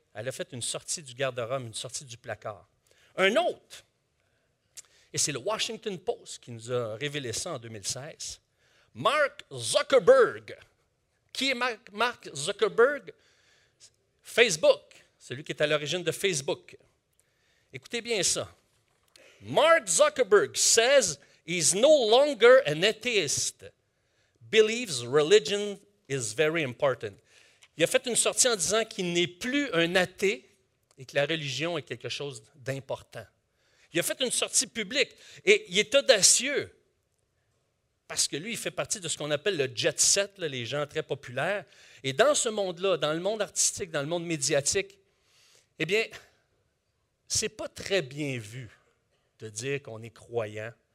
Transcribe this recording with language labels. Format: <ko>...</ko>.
<fr>Elle a fait une sortie du garde-robe, une sortie du placard. Un autre, et c'est le Washington Post qui nous a révélé ça en 2016, Mark Zuckerberg. Qui est Mark Zuckerberg? Facebook, celui qui est à l'origine de Facebook. Écoutez bien ça.</fr> <en>Mark Zuckerberg says he's no longer an atheist. Believes religion is very important.</en> <fr>Il a fait une sortie en disant qu'il n'est plus un athée et que la religion est quelque chose d'important. Il a fait une sortie publique et il est audacieux. Parce que lui, il fait partie de ce qu'on appelle le jet set, là, les gens très populaires. Et dans ce monde-là, dans le monde artistique, dans le monde médiatique, eh bien, ce n'est pas très bien vu de dire qu'on est croyant.</fr>